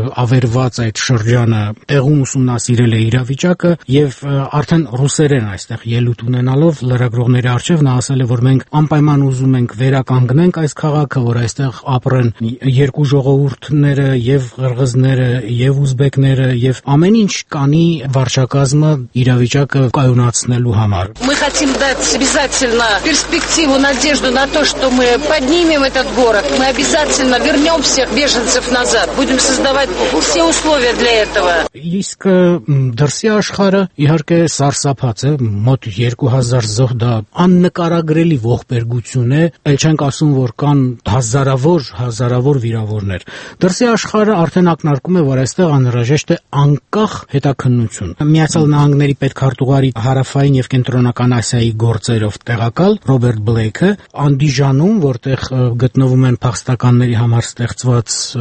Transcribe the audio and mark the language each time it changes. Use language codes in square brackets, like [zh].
[hy] ավերված այդ շրջանը, տեղում ուսումնասիրել է իրավիճակը եւ արդեն ռուսերեն այստեղ ելույթ ունենալով լրագրողների առջեւ նա ասել է, որ մենք անպայման ուզում ենք վերականգնենք այս քաղաքը, որ այստեղ ապրեն երկու ժողովուրդները եւ ղրղզները եւ ուզբեկները եւ ամեն ինչ կանի վարչակազմը իրավիճակը կայունացնելու համար։ [ru] Мы хотим дать обязательно перспективу, надежду на то, что мы поднимем этот город. Мы обязательно вернём всех беженцев назад. Будем создавать все условия для этого. [hy] Իսկ դրսի աշխարը իհարկե սարսափած է, մոտ 2000 զոհ, դա աննկարագրելի ողբերգություն է, այլ չենք ասում, որ կան հազարավոր վիրավորներ։ Դրսի աշխարը արդեն ակնարկում է, որ այստեղ անհրաժեշտ է անկախ հետաքննություն։ Միացյալ Նահանգների պետքարտուղարի հարավային և կենտրոնական Ասիայի գործերով տեղակալ Ռոբերտ Բլեյքը Անդիժանում, որտեղ գտնվում են փախստականների համար ստեղծված